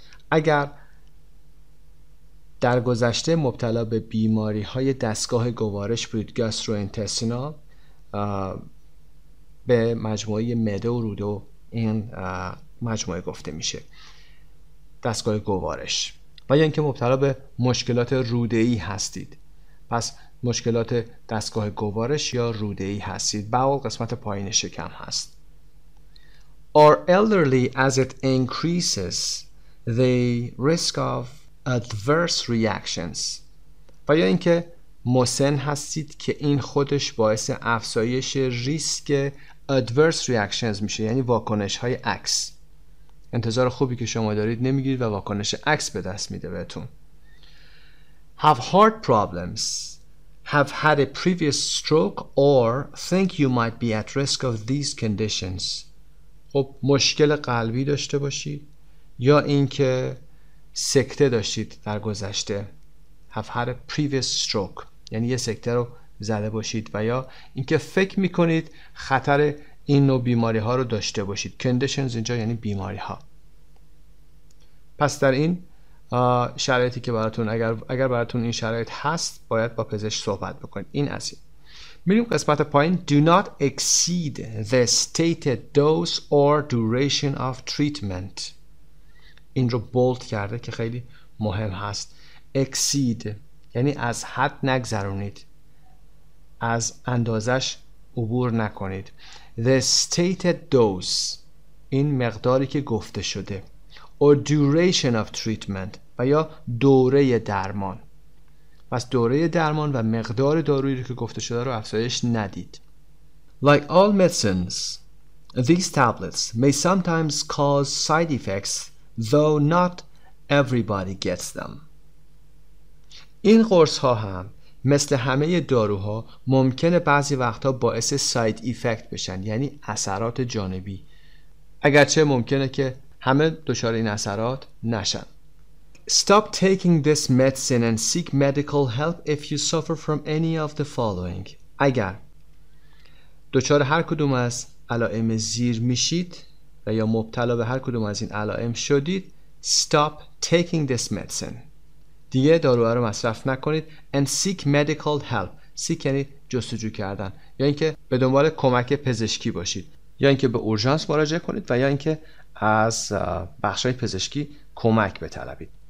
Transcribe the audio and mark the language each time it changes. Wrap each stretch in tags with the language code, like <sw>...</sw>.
<fa>اگر در گذشته مبتلا به بیماری های دستگاه گوارش بودید، گاستروانتستینال، به مجموعه معده و روده این مجموعه گفته میشه، دستگاه گوارش، و یا اینکه مبتلا به مشکلات روده ای هستید، پس مشکلات دستگاه گوارش یا روده ای هستید، باول قسمت پایین شکم هست.</fa> <en>Are elderly as it increases the risk of adverse reactions.</en> <fa>و یا اینکه مسن هستید که این خودش باعث افزایش ریسک</fa> <en>adverse reactions</en> <fa>میشه، یعنی واکنش های عکس. انتظار خوبی که شما دارید نمیگیرید و واکنش عکس به دست میده بهتون.</fa> <en>Have heart problems. Have had a previous stroke or think you might be at risk of these conditions.</en> <fa>خب مشکل قلبی داشته باشید یا اینکه سکته داشتید در گذشته.</fa> <en>Have had a previous stroke</en> <fa>یعنی یه سکته رو زده باشید، و یا اینکه فکر میکنید خطر این نوع بیماری ها رو داشته باشید. Conditions اینجا یعنی بیماری ها. پس در این شرایطی که براتون، اگر براتون این شرایط هست، باید با پزشک صحبت بکنید. این از این. میریم قسمت پایین.</fa> <en>Do not exceed the stated dose or duration of treatment.</en> <fa>این رو بولد کرده که خیلی مهم هست. اکسید یعنی از حد نگذرونید، از اندازش عبور نکنید.</fa> <en>The stated dose</en> <fa>این مقداری که گفته شده،</fa> <en>or duration of treatment</en> <fa>و یا دوره درمان. پس دوره درمان و مقدار دارویی رو که گفته شده رو افزایش ندید.</fa> <en>Like all medicines, these tablets may sometimes cause side effects though not everybody gets them.</en> <fa>این قرص ها هم مثل همه داروها ممکنه بعضی وقتا باعث سایت ایفکت بشن، یعنی اثرات جانبی، اگرچه ممکنه که همه دچار این اثرات نشن.</fa> <en>Stop taking this medicine and seek medical help if you suffer from any of the following.</en> <fa>اگر دچار هر کدوم از علائم زیر میشید و یا مبتلا به هر کدوم از این علائم شدید،</fa> <en>stop taking this medicine.</en> <fa>دیگه داروها رو مصرف نکنید.</fa> <en>And seek medical help.</en> <fa>seek یعنی جستجو کردن، یا اینکه به دنبال کمک پزشکی باشید، یا اینکه به اورژانس مراجعه کنید و یا اینکه از بخشای پزشکی کمک بطلبید.</fa>